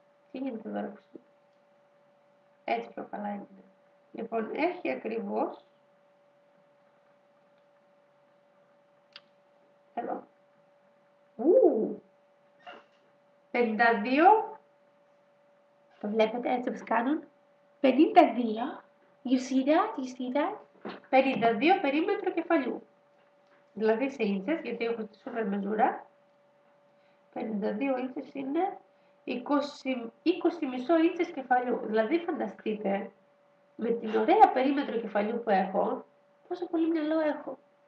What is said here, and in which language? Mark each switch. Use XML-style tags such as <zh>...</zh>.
<el>Τι γίνεται εδώ, ρωτήσω. Έτσι πιο καλά είναι. Λοιπόν, έχει ακριβώς. Εδώ. 52 Το βλέπετε, έτσι όπως κάνουν.</el> <en>52, you see that, you see that.</en> <el>52 περίμετρο κεφαλιού. Δηλαδή σε ίντσες, γιατί έχω τη σούπερ μεζούρα. 52 ίντσες είναι 20 μισό ίντσες κεφαλιού. Δηλαδή φανταστείτε, με την ωραία περίμετρο κεφαλιού που έχω, πόσο πολύ μυαλό έχω.</el>